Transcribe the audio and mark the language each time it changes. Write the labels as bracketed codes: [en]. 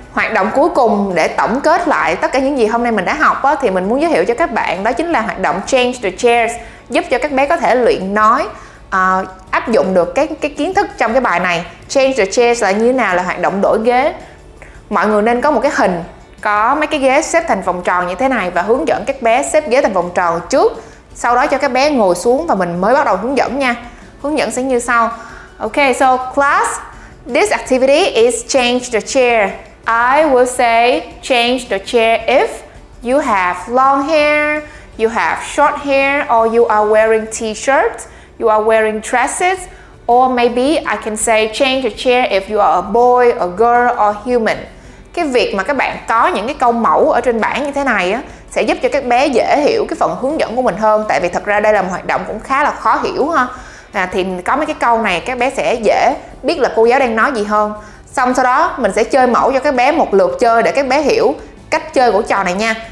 [vi] Hoạt động cuối cùng để tổng kết lại tất cả những gì hôm nay mình đã học á, thì mình muốn giới thiệu cho các bạn đó chính là hoạt động Change the Chairs, giúp cho các bé có thể luyện nói, áp dụng được cái kiến thức trong cái bài này. Change the Chairs là như nào, là hoạt động đổi ghế. Mọi người nên có một cái hình có mấy cái ghế xếp thành vòng tròn như thế này và hướng dẫn các bé xếp ghế thành vòng tròn trước, sau đó cho các bé ngồi xuống và mình mới bắt đầu hướng dẫn nha. Hướng dẫn sẽ như sau. [en] Okay, so class, this activity is change the chair. I will say change the chair if you have long hair, you have short hair, or you are wearing t-shirt, you are wearing dresses, or maybe I can say change the chair if you are a boy, a girl, or human. [vi] Cái việc mà các bạn có những cái câu mẫu ở trên bảng như thế này á, sẽ giúp cho các bé dễ hiểu cái phần hướng dẫn của mình hơn. Tại vì thật ra đây là một hoạt động cũng khá là khó hiểu ha. À, thì có mấy cái câu này các bé sẽ dễ biết là cô giáo đang nói gì hơn. Xong sau đó mình sẽ chơi mẫu cho các bé một lượt chơi để các bé hiểu cách chơi của trò này nha.